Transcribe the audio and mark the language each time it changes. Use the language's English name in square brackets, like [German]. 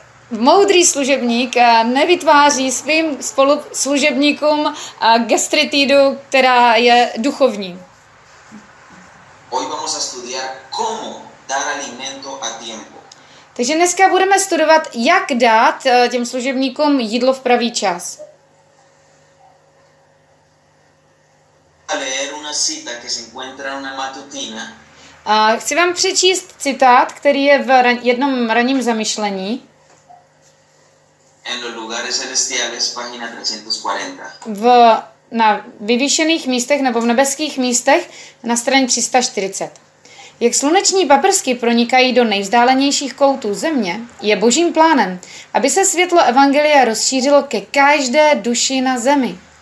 [Czech] Moudrý služebník nevytváří svým spoluslužebníkům gastritidu, která je duchovní. [Spanish] Hoy vamos a estudiar cómo dar alimento a tiempo. [Czech] Takže dneska budeme studovat, jak dát těm služebníkům jídlo v pravý čas. [Spanish] A leer una cita que se encuentra en una matutina. [Czech] Chci vám přečíst citát, který je v jednom ranním zamyšlení. [Spanish] En los lugares celestiales, página 340. [Czech] Na vyvýšených místech nebo v nebeských místech na straně 340. Jak sluneční paprsky pronikají do nejvzdálenějších koutů země, je Božím plánem, aby se světlo evangelia rozšířilo ke každé duši na zemi.